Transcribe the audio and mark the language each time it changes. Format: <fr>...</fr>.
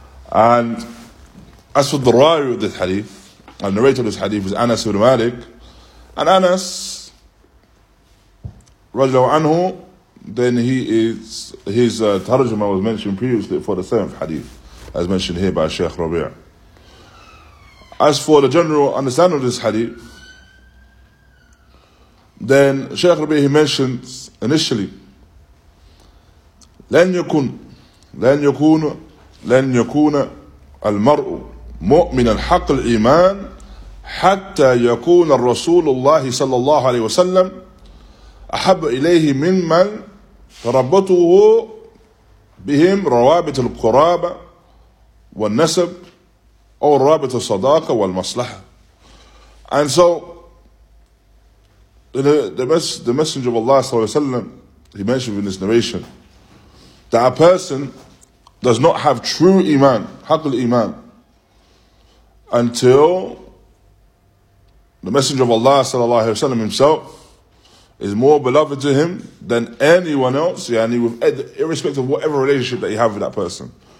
<en>And as for the rawi of this hadith, the narrator of this hadith is Anas ibn Malik. And Anas, radiallahu anhu, then his tarjuma was mentioned previously for the seventh hadith, as mentioned here by Shaykh Rabi'. As for the general understanding of this hadith, then Shaykh Rabi', he mentions initially,</en> <ar>لن يكون المرء مؤمن الحق الإيمان حتى يكون الرسول الله صلى الله عليه وسلم أحب إليه ممن تربطه بهم روابط القرابة والنسب أو روابط الصداقة والمصلحة.</ar> <en>And so the Messenger of Allah صلى الله عليه وسلم, he mentioned in this narration that a person does not have true iman, حق الإيمان, until the Messenger of Allah صلى الله عليه وسلم himself is more beloved to him than anyone else, yani with irrespective of whatever relationship that you have with that person.</en>